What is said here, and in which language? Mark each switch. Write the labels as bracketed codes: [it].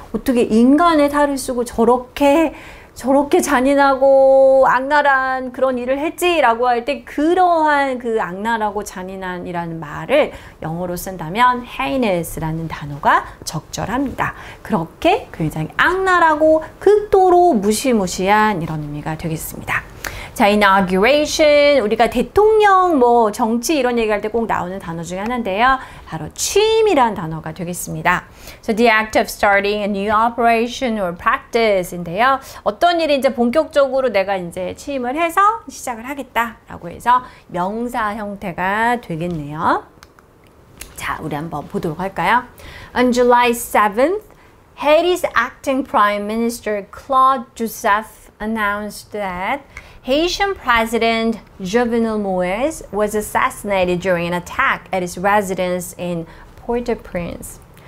[ko] 어떻게 인간의 탈을 쓰고 저렇게 잔인하고 악랄한 그런 일을 했지라고 할 때 그러한 그 악랄하고 잔인한이라는 말을 영어로 쓴다면 heinous라는 단어가 적절합니다. 그렇게 굉장히 악랄하고 극도로 무시무시한 이런 의미가 되겠습니다. 자, inauguration, 우리가 대통령, 뭐 정치 이런 얘기할 때 꼭 나오는 단어 중에 하나인데요. 바로 취임이라는 단어가 되겠습니다. [en] So the act of starting a new operation or practice인데요. [ko] 어떤 일이 이제 본격적으로 내가 이제 취임을 해서 시작을 하겠다라고 해서 명사 형태가 되겠네요. 자, 우리 한번 보도록 할까요? [en] On July 7th, Haiti's acting prime minister Claude Joseph announced that Haitian President Jovenel Moïse was assassinated during an attack at his residence in Port-au-Prince.